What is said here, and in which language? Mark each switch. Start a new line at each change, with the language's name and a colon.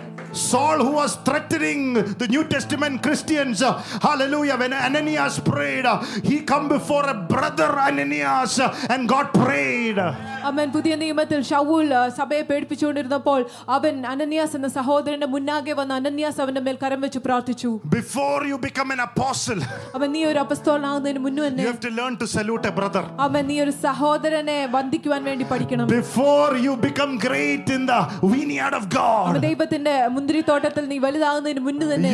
English: Saul, who was threatening the New Testament Christians, hallelujah, when Ananias prayed, he come before a brother Ananias and God prayed. Amen.
Malayalam: പുതിയ നിയമത്തിൽ ഷൗല്‍ സഭയെ പേടിപ്പിച്ചുകൊണ്ടിരുന്നപ്പോൾ അവൻ Ananias എന്ന സഹോദരന്റെ മുന്നാകെ വന്ന് Ananias അവന്റെ മേൽ കരം വെച്ച് പ്രാർത്ഥിച്ചു.
English: Before you become an apostle,
Malayalam: അവൻ നീ ഒരു അപ്പോസ്തലനാകുന്നതിനു മുന്നേ തന്നെ
English: you have to learn to salute a brother.
Malayalam: അവൻ നീ ഒരു സഹോദരനെ വന്ദിക്കുവാൻ വേണ്ടി പഠിക്കണം.
English: Before you become great in the vineyard of God,
Malayalam: ദൈവത്തിന്റെ മുന്തിരി തോട്ടത്തിൽ നീ വലുതാകുന്നതിനു മുന്നേ തന്നെ